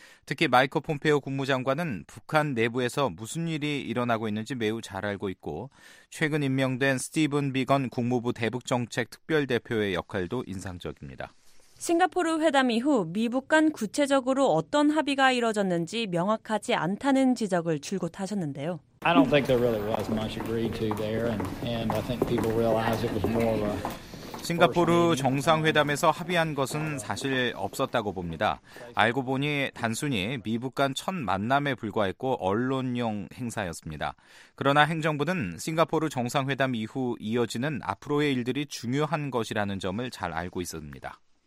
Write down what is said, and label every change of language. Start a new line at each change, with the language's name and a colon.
Korean: 특히 마이크 폼페오 국무장관은 북한 내부에서 무슨 일이 일어나고 있는지 매우 잘 알고 있고 최근 임명된 스티븐 비건 국무부 대북정책특별대표의 역할도 인상적입니다. 싱가포르 회담 이후 미북 간 구체적으로 어떤 합의가 이뤄졌는지 명확하지 않다는 지적을 줄곧 하셨는데요.
English: I don't think there really was much agreed to there, and I think people realize it was more of a
Korean: 싱가포르 정상회담에서 합의한 것은 사실 없었다고 봅니다. 알고 보니 단순히 미북 간 첫 만남에 불과했고 언론용 행사였습니다. 그러나 행정부는 싱가포르 정상회담 이후 이어지는 앞으로의 일들이 중요한 것이라는 점을 잘 알고 있습니다.